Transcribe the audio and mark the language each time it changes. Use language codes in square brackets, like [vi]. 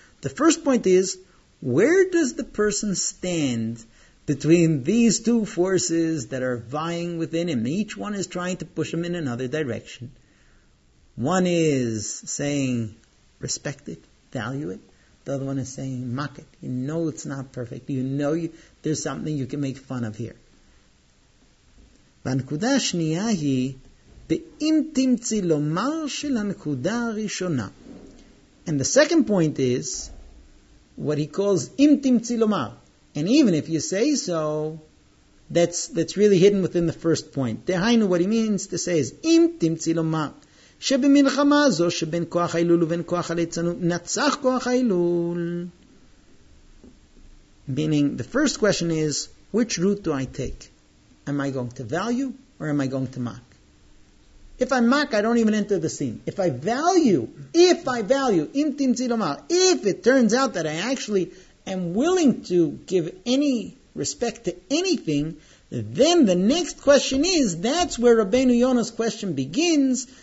[en] The first point is, where does the person stand between these two forces that are vying within him? Each one is trying to push him in another direction. One is saying, respect it, value it. The other one is saying, mock it. You know it's not perfect. You know there's something you can make fun of here. [he] והנקודה השנייה היא, באם תמצי לומר של הנקודה הראשונה. [en] And the second point is, what he calls, אם תמצי לומר. And even if you say so, that's really hidden within the first point. [he] דהיינו, [en] what he means to say is, [he] אם תמצי לומר, שבמלחמה הזו, שבין כוח האילול ובין כוח הליצנות, נצח כוח האילול. [en] Meaning, the first question is, which route do I take? Am I going to value or am I going to mock? If I mock, I don't even enter the scene. If I value, [he] im timtzi lomar, [en] if it turns out that I actually am willing to give any respect to anything, then the next question is, that's where Rabbeinu Yonah's question begins.